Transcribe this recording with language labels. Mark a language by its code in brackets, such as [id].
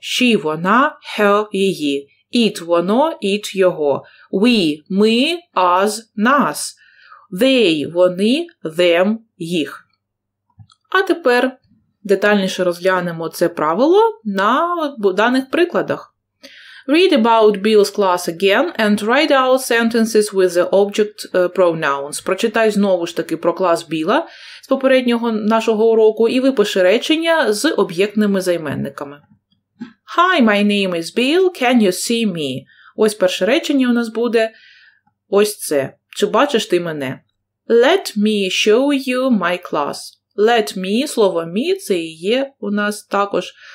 [uk] She – вона, her – її. It – воно, it – його. We – ми, us – нас. They – вони, them – їх. А тепер детальніше розглянемо це правило на даних прикладах. [en] Read about Bill's class again and write out sentences with the object pronouns. [uk] Прочитай знову ж таки про клас Біла з попереднього нашого уроку і випиши речення з об'єктними займенниками. [en] Hi, my name is Bill. Can you see me? [uk] Ось перше речення у нас буде ось це. Чи бачиш ти мене? [en] Let me show you my class. Let me, [uk] слово me, це і є у нас також